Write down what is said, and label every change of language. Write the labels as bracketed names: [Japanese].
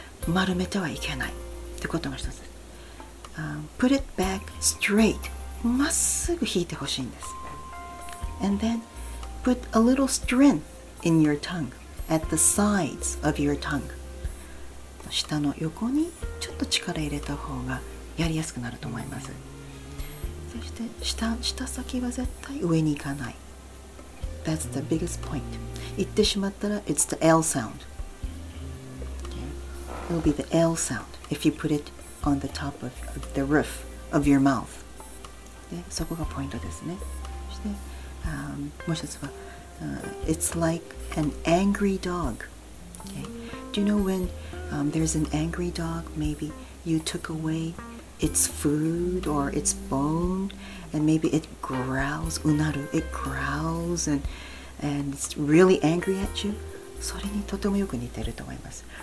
[Japanese] 丸めてはいけないってことが一つ。 [English] Put it back straight. [Japanese] まっすぐ引いてほしいんです。 [English] And then put a little strength in your tongue at the sides of your tongue. [Japanese] 下の横にちょっと力入れた方がやりやすくなると思います。そして舌先は絶対上に行かない。 [English] That's the biggest point. [Japanese] 行ってしまったら [English] It's the L sound. It'll be the L sound if you put it on the top of the roof of your mouth. [Japanese] でそこがポイントですね。そして、もう一つは [English] It's like an angry dog. Do you know when there's an angry dog, maybe you took awayIt's food or its bone, and maybe it growls, unaru, it growls and it's really angry at you. [Japanese] それにとてもよく似てると思います。